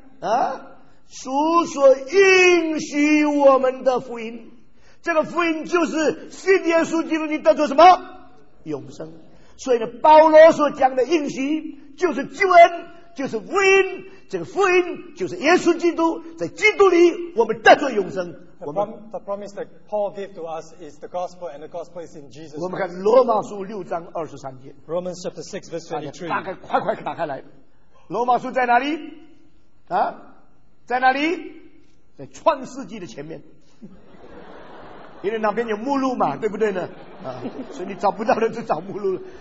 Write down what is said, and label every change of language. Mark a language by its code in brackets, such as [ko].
[zh] 啊，主所应许我们的福音，这个福音就是信耶稣基督，你得着什么？永生。所以呢，保罗所讲的应许就是救恩。就是福音，这个福音就是耶稣基督，在基督里我们得着永生。 [en] The promise that Paul gave to us is the gospel, and the gospel is in Jesus. [zh] 我们看罗马书六章二十三节。 [en] Romans chapter 6 verse 23。 [zh] 大概快快打开来，罗马书在哪里？啊，在哪里？在创世纪的前面，因为那边有目录嘛，对不对呢？啊，所以你找不到的就找目录了。